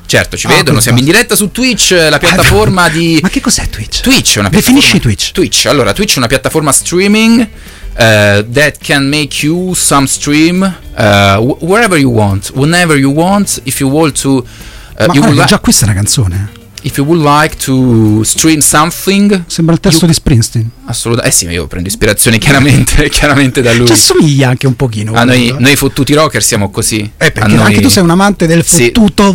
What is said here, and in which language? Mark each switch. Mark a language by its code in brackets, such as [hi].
[it] Certo, ci vedono, siamo in diretta su Twitch, la piattaforma di... Ma che cos'è Twitch? Twitch è una piattaforma... Definisci Twitch. Twitch, allora, Twitch è una piattaforma streaming [en] that can make you some stream wherever you want, whenever you want, if you want to... [it] già questa è una canzone. [en] If you would like to stream something... [it] Sembra il testo di Springsteen. Assolutamente. Eh sì, io prendo ispirazione chiaramente da lui. Ci assomiglia anche un pochino. A noi fottuti rocker siamo così. Perché noi... anche tu sei un amante del fottuto rock.